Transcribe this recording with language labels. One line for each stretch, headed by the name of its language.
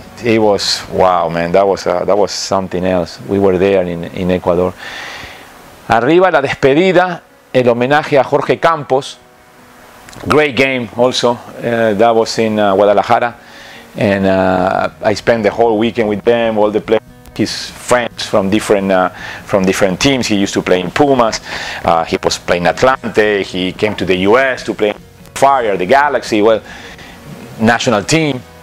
English: It was, wow, man, that was something else. We were there in Ecuador.
Spanish: Arriba la despedida, el homenaje a Jorge Campos,
English: Great game also. That was in Guadalajara. And I spent the whole weekend with them, all the players. His friends from different teams. He used to play in Pumas. He was playing Atlante. He came to the U.S. to play Fire, the Galaxy, well, national team.